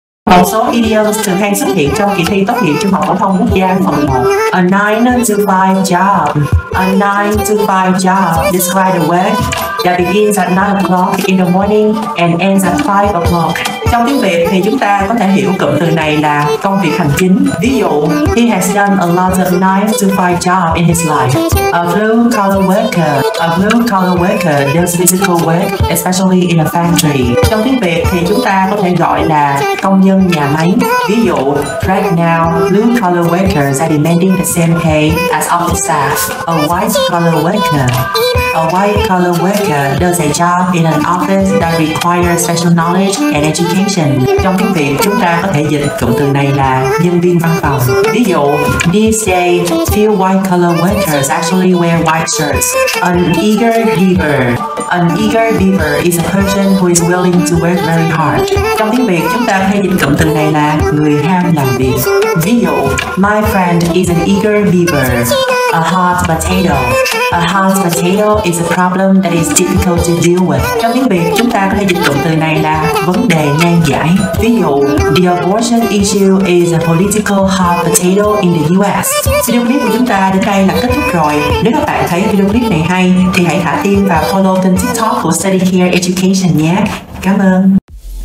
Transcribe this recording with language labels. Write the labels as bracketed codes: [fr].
[vi] Một số idioms thường hay xuất hiện trong kỳ thi tốt nghiệp trung học phổ thông quốc gia phần 1. [en] A 9-to-5 job. A 9-to-5 job. Describe the work that begins at 9 o'clock in the morning and ends at 5 o'clock. [vi] Trong tiếng Việt thì chúng ta có thể hiểu cụm từ này là công việc hành chính. Ví dụ, [en] he has done a lot of 9-to-5 job in his life. A blue-collar worker. A blue-collar worker does physical work, especially in a factory. [vi] Trong tiếng Việt thì chúng ta có thể gọi là công nhân nhà máy. Ví dụ, [en] right now, blue-collar workers are demanding the same pay as office staff. A white-collar worker. A white-collar worker does a job in an office that requires special knowledge and education. [vi] Trong tiếng Việt, chúng ta có thể dịch cụm từ này là nhân viên văn phòng. Ví dụ, [en] these days, few white-collar workers actually wear white shirts. An eager beaver. An eager beaver is a person who is willing to work very hard. [vi] Trong tiếng Việt, chúng ta có thể dịch cụm từ này là người ham làm việc. Ví dụ, [en] my friend is an eager beaver. A hot potato. A hot potato is a problem that is difficult to deal with. [vi] Trong tiếng Việt, chúng ta có thể dịch cụm từ này là vấn đề nan giải. Ví dụ, [en] the abortion issue is a political hot potato in the US. [vi] Video clip của chúng ta đến đây là kết thúc rồi. Nếu các bạn thấy video clip này hay, thì hãy thả tim và follow kênh TikTok của StudyCare Education nhé. Cảm ơn.